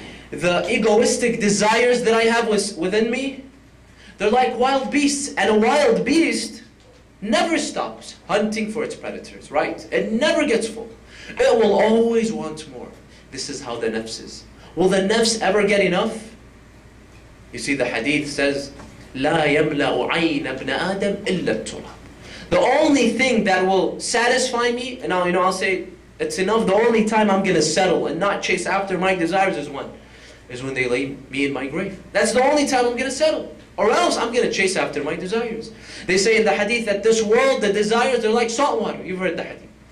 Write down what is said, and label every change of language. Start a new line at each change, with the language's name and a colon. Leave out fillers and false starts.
English: The egoistic desires that I have within me, they're like wild beasts. And a wild beast never stops hunting for its predators, right? It never gets full. It will always want more. This is how the nafs is. Will the nafs ever get enough? You see, the hadith says,
Arabic: لا يملأ عين ابن آدم إلا التراب.
English: The only thing that will satisfy me, and now you know I'll say it's enough. The only time I'm gonna settle and not chase after my desires is when they lay me in my grave. That's the only time I'm gonna settle, or else I'm gonna chase after my desires. They say in the hadith that this world, the desires, they're like salt water. You've heard the hadith.